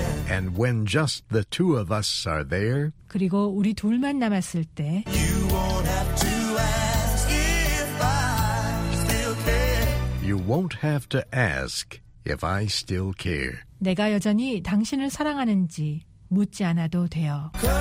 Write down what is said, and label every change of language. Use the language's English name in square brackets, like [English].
[English] And when just the two of us are there, [Korean] 그리고 우리 둘만 남았을 때, [English] you won't have to ask if I still care. You won't have to ask if I still care. [Korean] 내가 여전히 당신을 사랑하는지 묻지 않아도 돼요.